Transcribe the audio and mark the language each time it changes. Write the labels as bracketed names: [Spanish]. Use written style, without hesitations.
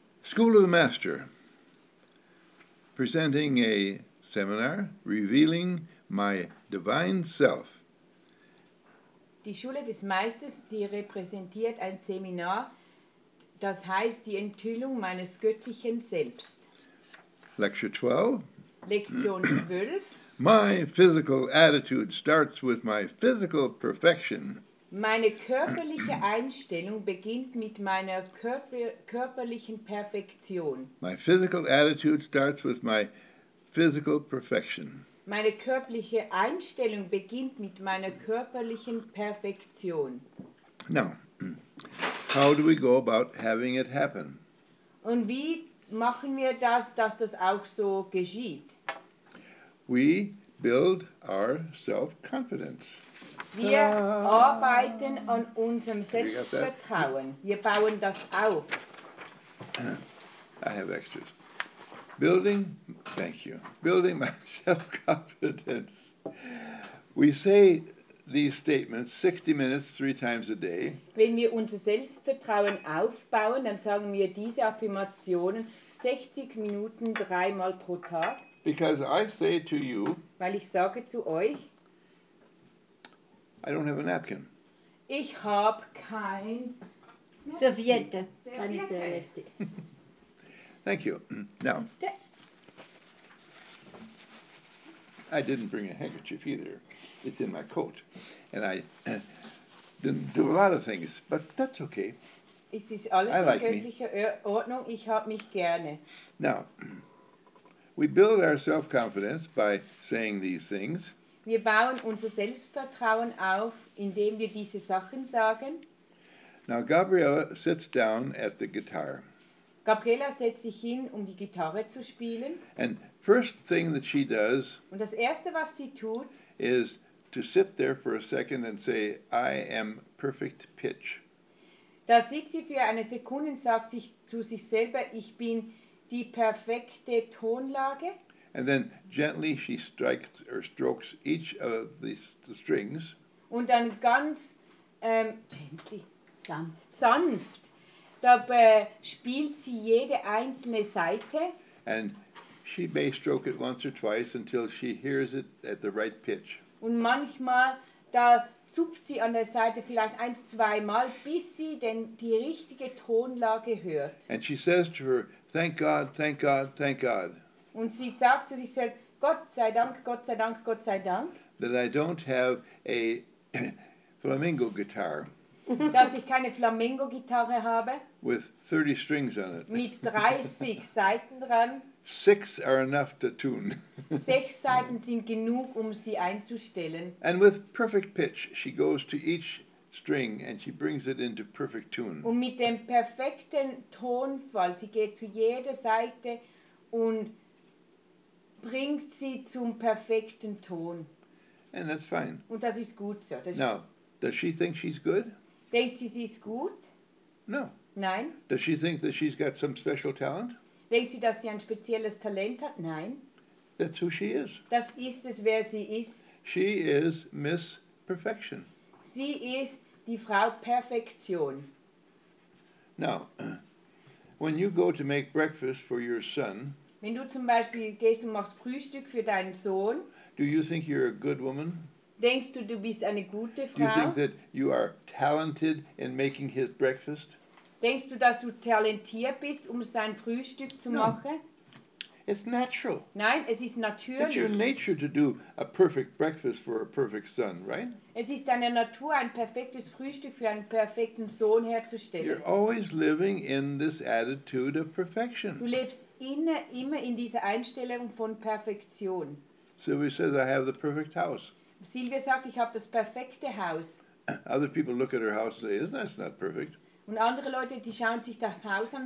[English] School of the Master, presenting a seminar revealing my divine self. [German] Die Schule des Meisters, die repräsentiert ein Seminar, das heißt die Enthüllung meines göttlichen Selbst. [English] Lecture 12. [German] Lektion 12. [English] My physical attitude starts with my physical perfection. [German] Meine körperliche Einstellung beginnt mit meiner körperlichen Perfektion. [English] My physical attitude starts with my physical perfection. [German] Meine körperliche Einstellung beginnt mit meiner körperlichen Perfektion. [English] Now, how do we go about having it happen? [German] Und wie machen wir das, dass das auch so geschieht? [English] We build our self-confidence. [German] Wir arbeiten an unserem Selbstvertrauen. Wir bauen das auf. [English] I have extras. Building, thank you. Building my self-confidence. We say these statements 60 minutes, 3 times a day. [German] Wenn wir unser Selbstvertrauen aufbauen, dann sagen wir diese Affirmationen 60 Minuten, 3-mal pro Tag. [English] Because I say to you, [German] weil ich sage zu euch, [English] I don't have a napkin. [German] Ich habe kein Serviette. Keine Serviette. [English] Thank you. Now, I didn't bring a handkerchief either. It's in my coat. And I didn't do a lot of things, but that's okay. [German] Es ist alles [English] I like [German] in göttlicher [English] me. [German] Ordnung. Ich habe mich gerne. [English] Now, we build our self-confidence by saying these things. [German] Wir bauen unser Selbstvertrauen auf, indem wir diese Sachen sagen. [English] Now Gabriela sits down at the guitar. [German] Gabriela setzt sich hin, um die Gitarre zu spielen. [English] And first thing that she does, [German] und das erste, was sie tut, [English] is to sit there for a second and say, I am perfect pitch. [German] Da sitzt sie für eine Sekunde und sagt sich zu sich selber, ich bin die perfekte Tonlage. [English] And then gently she strikes or strokes each of the strings. [German] Und dann ganz gently, sanft, da spielt sie jede einzelne Seite. [English] And she may stroke it once or twice until she hears it at the right pitch. [German] Und manchmal da zupft sie an der Seite vielleicht ein, zwei Mal, bis sie denn die richtige Tonlage hört. [English] And she says to her, thank God, thank God, thank God. [German] Und sie sagt zu sich selbst, Gott sei Dank, Gott sei Dank, Gott sei Dank. [English] That I don't have a flamingo guitar. [German] Dass ich keine Flamingo-Gitarre habe. [English] With 30 strings on it. [German] Mit 30 Saiten dran. [English] 6 are enough to tune. [German] 6 Saiten sind genug, um sie einzustellen. [English] And with perfect pitch, she goes to each string and she brings it into perfect tune. [German] Und mit dem perfekten Tonfall, sie geht zu jeder Saite und bringt sie zum perfekten Ton. [English] And that's fine. [German] Und das ist gut so. Das [English] now, does she think she's good? [German] Denkt sie, sie ist gut? [English] No. [German] Nein. [English] Does she think that she's got some special talent? [German] Denkt sie, dass sie ein spezielles Talent hat? Nein. [English] That's who she is. [German] Das ist es, wer sie ist. [English] She is Miss Perfection. [German] Sie ist die Frau Perfektion. [English] Now, when you go to make breakfast for your son, [German] wenn du zum Beispiel gehst und machst Frühstück für deinen Sohn, [English] do you think you're a good woman? [German] Denkst du, du bist eine gute Frau? [English] Do you think that you are talented in making his breakfast? [German] Denkst du, dass du talentiert bist, um sein Frühstück zu [English] no. [German] machen? [English] It's natural. [German] Nein, es ist natürlich. [English] It's your nature to do a perfect breakfast for a perfect son, right? [German] Es ist deine Natur, ein perfektes Frühstück für einen perfekten Sohn herzustellen. [English] You're always living in this attitude of perfection. [German] Du lebst immer in dieser Einstellung von Perfektion. [English] Sylvia says, I have the perfect house. [German] Sylvia sagt, ich habe das perfekte Haus. [English] Other people look at her house and say, isn't that not perfect? [German] Und andere Leute, die schauen sich das Haus an.